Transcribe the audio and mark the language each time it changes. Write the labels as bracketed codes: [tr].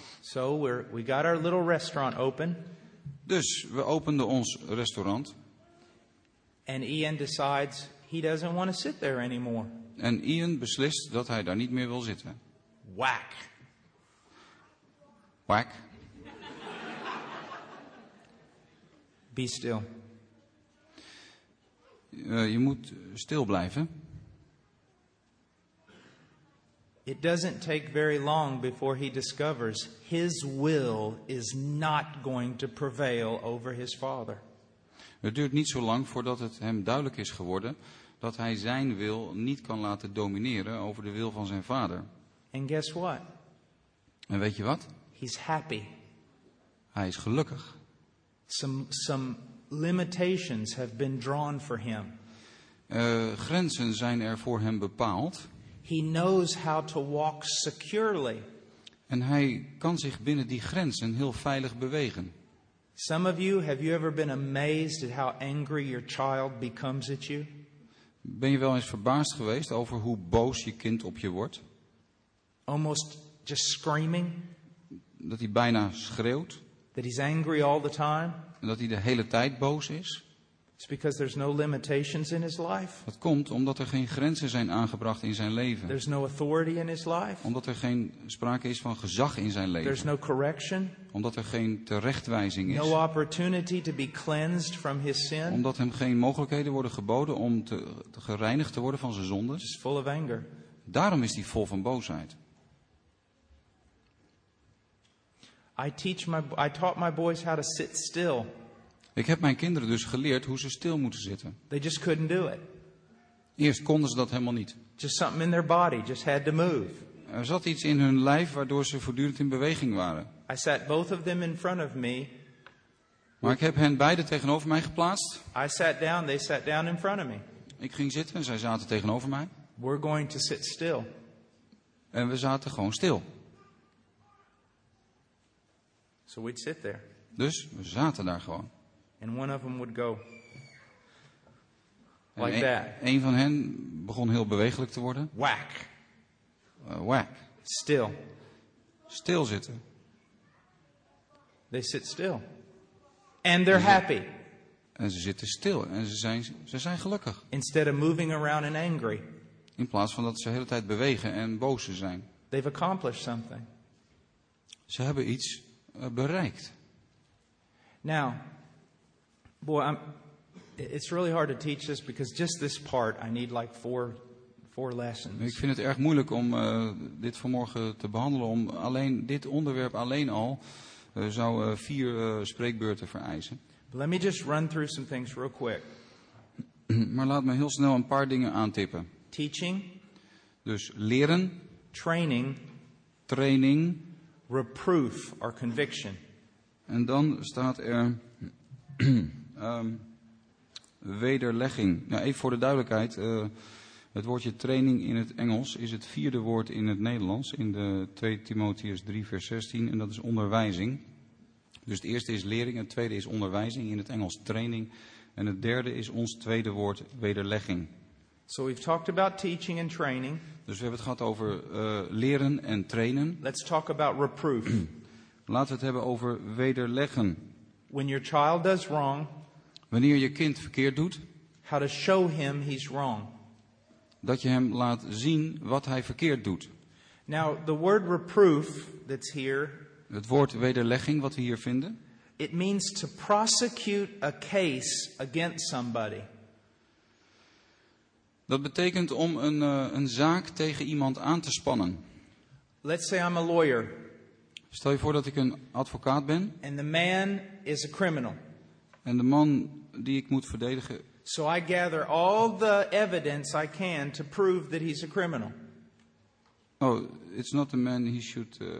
[en] So we got our little restaurant open. [nl] Dus we openden ons restaurant. [en] And Ian decides he doesn't want to sit there anymore. [nl] En Ian beslist dat hij daar niet meer wil zitten. [en] Whack. Whack. Be still. [nl] Je moet stil blijven. [en] It doesn't take very long before he discovers his will is not going to prevail over his father. [nl] Het duurt niet zo lang voordat het hem duidelijk is geworden dat hij zijn wil niet kan laten domineren over de wil van zijn vader. [en] And guess what? [nl] En weet je wat? [en] He's happy. [nl] Hij is gelukkig. [en] Some limitations have been drawn for him. [nl] Grenzen zijn er voor hem bepaald. [en] He knows how to walk securely. [nl] En hij kan zich binnen die grenzen heel veilig bewegen. [en] Some of you, have you ever been amazed at how angry your child becomes at you? [nl] Ben je wel eens verbaasd geweest over hoe boos je kind op je wordt? [en] Almost just screaming. [nl] Dat hij bijna schreeuwt. [en] That he's angry all the time. [nl] En dat hij de hele tijd boos is. [en] It's because there's no limitations in his life. [nl] Dat komt omdat er geen grenzen zijn aangebracht in zijn leven. [en] There's no authority in his life. [nl] Omdat er geen sprake is van gezag in zijn leven. [en] There's no correction. [nl] Omdat er geen terechtwijzing is. [en] No opportunity to be cleansed from his sin. [nl] Omdat hem geen mogelijkheden worden geboden om te gereinigd te worden van zijn zonden. [en] He's full of anger. [nl] Daarom is hij vol van boosheid. [en] I taught my boys how to sit still. [nl] Ik heb mijn kinderen dus geleerd hoe ze stil moeten zitten. [en] They just couldn't do it. [nl] Eerst konden ze dat helemaal niet. [en] Just something in their body just had to move. [nl] Er zat iets in hun lijf waardoor ze voortdurend in beweging waren. [en] I sat both of them in front of me. [nl] Maar ik heb hen beide tegenover mij geplaatst. [en] I sat down, they sat down in front of me. [nl] Ik ging zitten en zij zaten tegenover mij. [en] We're going to sit still. [nl] En we zaten gewoon stil. [en] So we'd sit there. [nl] Dus we zaten daar gewoon. [en] And one of them would go like that. [nl] Een van hen begon heel bewegelijk te worden. [en] Whack. Whack. Still. [nl] Stil zitten. [en] They sit still. And they're happy. [nl] En ze zitten stil en ze zijn gelukkig. [en] Instead of moving around and angry. [nl] In plaats van dat ze de hele tijd bewegen en boos zijn. [en] They've accomplished something. [nl] Ze hebben iets bereikt. [en] Now, it's really hard to teach this because just this part, I need like four lessons. [nl] Ik vind het erg moeilijk om dit vanmorgen te behandelen, om alleen dit onderwerp alleen al zou vier spreekbeurten vereisen. [en] But let me just run through some things real quick. [nl] Maar laat me heel snel een paar dingen aantippen. [en] Teaching. [nl] Dus leren. [en] Training. [nl] Training. [en] Reproof or conviction. [nl] En dan staat er wederlegging. Nou, even voor de duidelijkheid. Het woordje training in het Engels is het vierde woord in het Nederlands. In de 2 Timotheus 3 vers 16. En dat is onderwijzing. Dus het eerste is lering. Het tweede is onderwijzing. In het Engels training. En het derde is ons tweede woord wederlegging. [en] So we've talked about teaching and training. [nl] Dus we hebben het gehad over leren en trainen. [en] Let's talk about reproof. [nl] Laten we het hebben over wederleggen. [en] When your child does wrong, [nl] wanneer je kind verkeerd doet, [en] how to show him he's wrong. [nl] Dat je hem laat zien wat hij verkeerd doet. [en] Now, the word reproof that's here, [nl] het woord wederlegging wat we hier vinden, [en] it means to prosecute a case against somebody. [nl] Dat betekent om een zaak tegen iemand aan te spannen. [en] Let's say I'm a lawyer. [nl] Stel je voor dat ik een advocaat ben. [en] And the man is a criminal. [nl] En de man die ik moet verdedigen. [en] So I gather all the evidence I can to prove that he's a criminal. Oh, it's not the man he should.